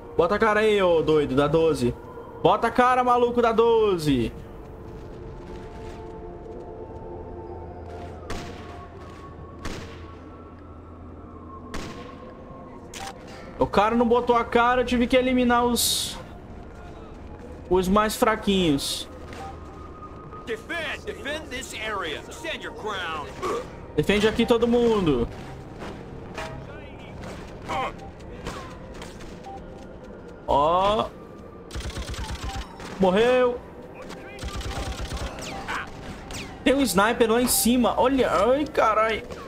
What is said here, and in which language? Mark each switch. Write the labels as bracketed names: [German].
[Portuguese] Bota a cara aí, ô doido, da 12. Bota a cara, maluco, da 12. O cara não botou a cara, eu tive que eliminar os... os mais fraquinhos. [English] Defend, defend this area. Stand your ground. [Portuguese] Defende aqui todo mundo. Ó. Morreu. Tem um sniper lá em cima. Olha. Ai, carai.